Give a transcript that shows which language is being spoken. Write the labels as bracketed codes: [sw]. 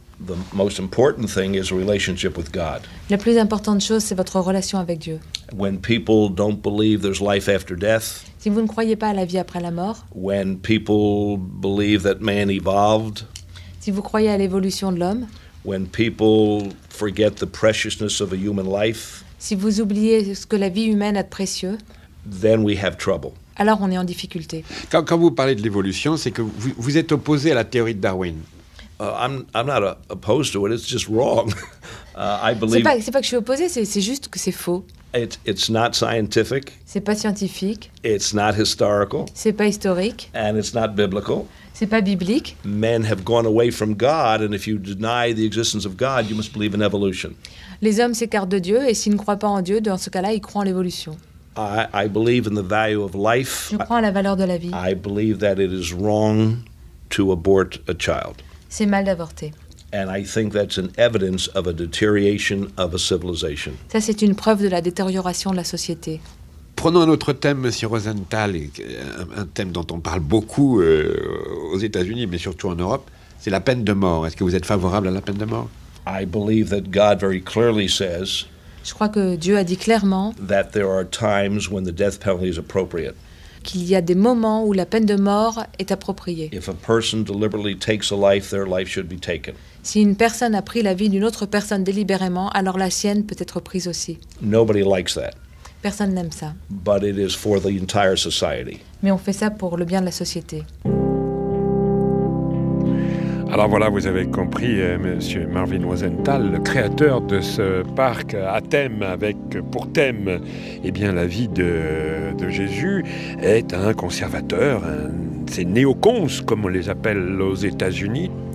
[en] The most important thing is relationship with God. [fr] La plus importante chose, c'est votre relation avec Dieu. [en] When people don't believe there's life after death, [fr] si vous ne croyez pas à la vie après la mort, [en] when people believe that man evolved, [fr] si vous croyez à l'évolution de l'homme, [en] when people forget the preciousness of a human life, [fr] si vous oubliez ce que la vie humaine a de précieux, [en] then we have trouble. [fr] Alors on est en difficulté. Quand vous parlez de l'évolution, c'est que vous êtes opposé à la théorie de Darwin. [en] I'm not opposed to it, it's just wrong. I believe [fr] c'est pas que je suis opposé, c'est juste que c'est faux. [en] It's not scientific. [fr] C'est pas scientifique. [en] It's not historical. [fr] C'est pas historique. [en] And it's not biblical. [fr] C'est pas biblique. [en] Men have gone away from God, and if you deny the existence of God, you must believe in evolution. [fr] Les hommes s'écartent de Dieu, et s'ils ne croient pas en Dieu, dans ce cas-là, ils croient en l'évolution. [en] I believe in the value of life. [fr] Je crois en la valeur de la vie. [en] I believe that it is wrong to abort a child. [fr] C'est mal d'avorter. [en] And I think that's an evidence of a deterioration of a civilization. [fr] Ça, c'est une preuve de la détérioration de la société. Prenons un autre thème, Monsieur Rosenthal, un thème dont on parle beaucoup aux États-Unis, mais surtout en Europe, c'est la peine de mort. Est-ce que vous êtes favorable à la peine de mort? [en] I believe that God very clearly says. [fr] Je crois que Dieu a dit clairement [en] that there are times when the death penalty is appropriate. [fr] Qu'il y a des moments où la peine de mort est appropriée. [en] If a person deliberately takes a life, their life should be taken. [fr] Si une personne a pris la vie d'une autre personne délibérément, alors la sienne peut être prise aussi. [en] Nobody likes that. [fr] Personne n'aime ça. [en] But it is for the entire society. [fr] Mais on fait ça pour le bien de la société. Alors voilà, vous avez compris, Monsieur Marvin Rosenthal, le créateur de ce parc à thème, avec pour thème eh bien, la vie de Jésus, est un conservateur, ces néocons, comme on les appelle aux États-Unis.